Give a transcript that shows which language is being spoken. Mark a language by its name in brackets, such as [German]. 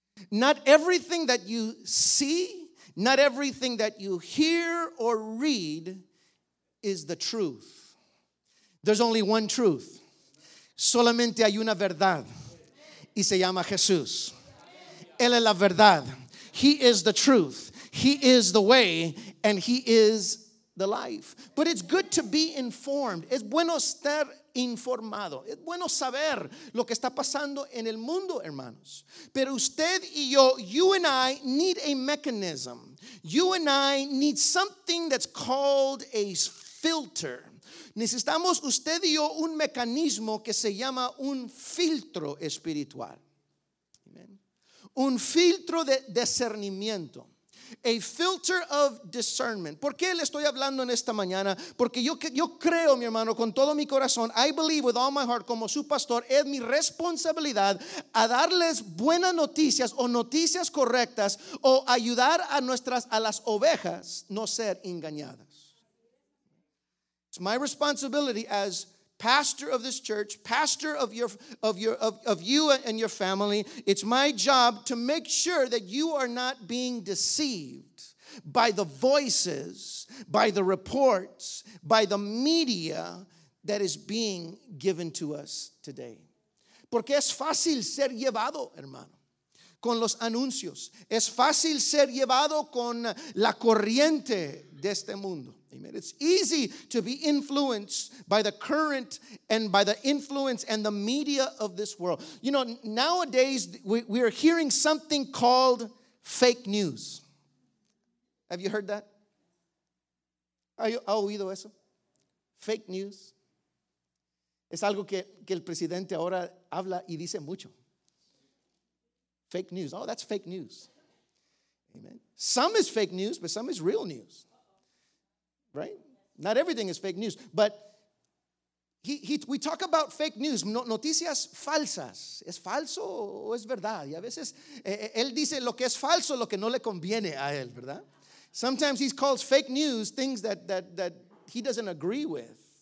[English] Not everything that you see, not everything that you hear or read is the truth. There's only one truth. [Spanish] Solamente hay una verdad y se llama Jesús. Él es la verdad. [English] He is the truth. He is the way and he is the life. But it's good to be informed. [Spanish] Es bueno estar informado. Es bueno saber lo que está pasando en el mundo, hermanos. Pero usted y yo, [English] you and I need a mechanism. You and I need something that's called a filter. [Spanish] Necesitamos usted y yo un mecanismo que se llama un filtro espiritual. Amen. Un filtro de discernimiento. [English] A filter of discernment. [Spanish] ¿Por qué le estoy hablando en esta mañana? Porque yo creo, mi hermano, con todo mi corazón, [English] I believe with all my heart, [Spanish] como su pastor, es mi responsabilidad a darles buenas noticias o noticias correctas o ayudar a las ovejas no ser engañadas. [English] It's my responsibility as pastor of this church, pastor of you and your family. It's my job to make sure that you are not being deceived by the voices, by the reports, by the media that is being given to us today. [Spanish] Porque es fácil ser llevado, hermano, con los anuncios. Es fácil ser llevado con la corriente de este mundo. Amen. [English] It's easy to be influenced by the current and by the influence and the media of this world. You know, nowadays we are hearing something called fake news. Have you heard that? [Spanish] ¿Ha oído eso? [English] Fake news. [Spanish] Es algo que el presidente ahora habla y dice mucho. [English] Fake news. Oh, that's fake news. Amen. Some is fake news, but some is real news. Right? Not everything is fake news, but we talk about fake news, [Spanish] noticias falsas. ¿Es falso o es verdad? Y a veces él dice lo que es falso, lo que no le conviene a él, ¿verdad? [English] Sometimes he calls fake news things that he doesn't agree with.